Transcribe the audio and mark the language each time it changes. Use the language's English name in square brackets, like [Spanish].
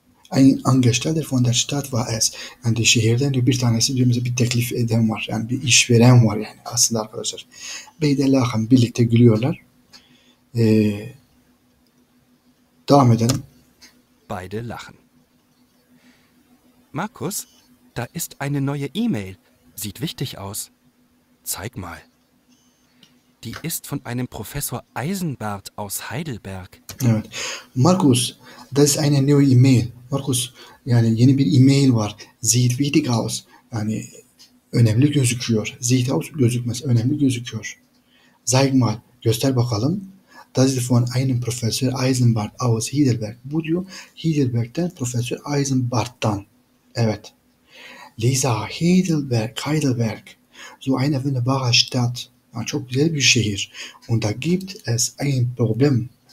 [German] Ein Angestellter von der Stadt war es. [Turkish] Yani de şehirden de bir tanesi diyor bir teklif eden var. Yani bir işveren var yani aslında arkadaşlar. Beydelahan birlikte gülüyorlar. Devam edelim. [German] Beide lachen. Markus, da ist eine neue E-Mail. Sieht wichtig aus. Zeig mal. Die ist von einem Professor Eisenbart aus Heidelberg. [Turkish] Evet. [German] Markus, das ist eine neue E-Mail. [Turkish] Markus, yani yeni bir E-Mail var. [German] Sieht wichtig aus. [Turkish] Yani önemli gözüküyor. [German] Sieht aus [Turkish] gözükmez. Önemli gözüküyor. [German] Zeig mal. [Turkish] Göster bakalım. [German] Das ist von einem Professor Eisenbart aus Heidelberg. [Turkish] Bu diyor Heidelberg'den Professor Eisenbart'tan. Evet. [German] Lisa, Heidelberg, Heidelberg. So eine wunderbare Stadt. Ja, [Turkish] çok güzel bir şehir. [German] Und da gibt es ein Problem.